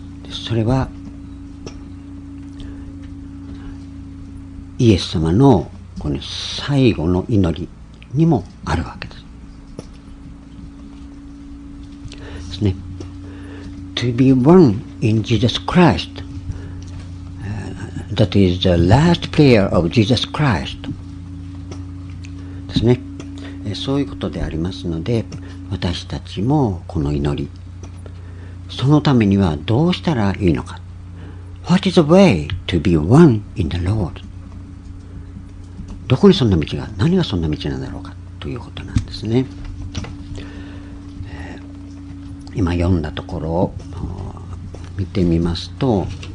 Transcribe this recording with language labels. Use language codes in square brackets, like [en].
[ja] それはイエス様のこの最後の祈りにもあるわけです。ですね。 [en] To be one in Jesus Christ, that is the last prayer of Jesus Christ. [ja] ですね。そういうことでありますので、私たちもこの祈り、そのためにはどうしたらいいのか。 [en] What is the way to be one in the Lord? [ja] どこにそんな道が、何がそんな道なんだろうかということなんですね。今読んだところを見てみますと、